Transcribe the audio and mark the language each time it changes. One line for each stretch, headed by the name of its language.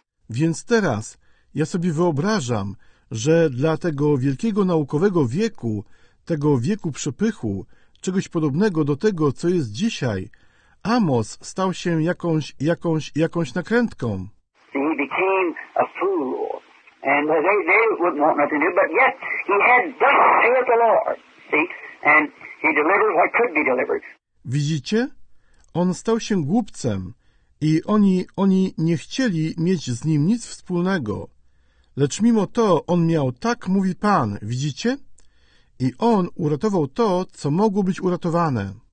Polish: Więc teraz ja sobie wyobrażam, że dla tego wielkiego naukowego wieku, tego wieku przepychu, czegoś podobnego do tego, co jest dzisiaj, Amos stał się jakąś nakrętką.
English: He became a fool. And they wouldn't want nothing to do, but yet he had done it, saith the Lord. See? And he delivered what could be delivered.
Polish: Widzicie? On stał się głupcem i oni nie chcieli mieć z nim nic wspólnego. Lecz mimo to on miał tak, mówi Pan, widzicie? I on uratował to, co mogło być uratowane.